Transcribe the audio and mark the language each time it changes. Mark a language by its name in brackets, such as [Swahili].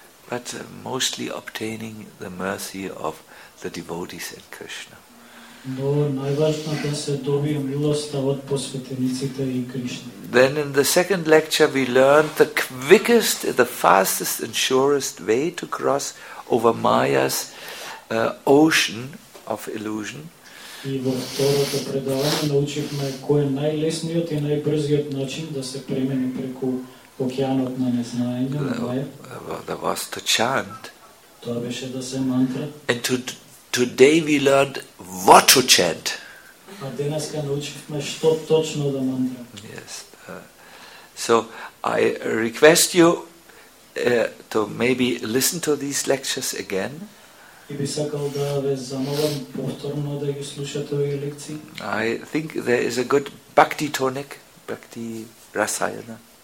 [English] But mostly obtaining the mercy of the devotees and Krishna. [Macedonian] Но најважното е да се добие милоста од посветениците и Кришна. [English] Then in the second lecture we learned the quickest, the fastest and surest way to cross over Maya's ocean of illusion. [Macedonian] И во второто предавање научивме кој е најлесниот и најбрзиот начин да се премине преку океанот на незнаење. [English] That was to chant. [Macedonian] Тоа беше да се мантра. [English] And today we learned what to chant. [Macedonian] А денеска научивме што точно да мантра. [English] Yes. So I request you to maybe listen to these lectures again. I think there is a good bhakti tonic, bhakti rasayana.